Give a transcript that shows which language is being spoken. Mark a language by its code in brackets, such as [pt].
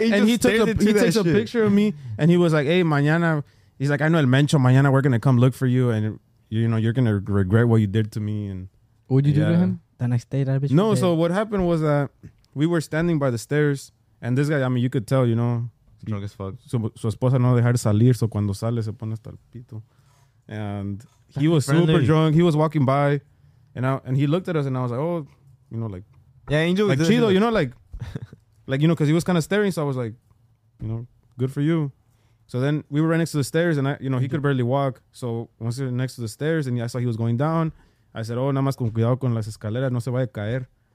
[en] Angel, and he takes a picture of me, and he was like, hey, mañana. He's like, I know El Mencho. Mañana we're gonna come look for you, and you know you're gonna regret what you did to me. And what'd you do to him the next day? That bitch. No. So what happened was that we were standing by the stairs. And this guy, I mean, you could tell, you know. Drunk as fuck. [es] Su esposa no dejar salir, so cuando sale se pone hasta el pito. [en] And he was super drunk. He was walking by. And he looked at us and I was like, oh, you know, like. Yeah, Angel. Like, chido, you know, like. Like, you know, because he was kind of staring. So I was like, you know, good for you. So then we were right next to the stairs and, he could barely walk. So once we were next to the stairs and I saw he was going down, I said, oh, [es] nada más con cuidado con las escaleras. No se vaya a caer.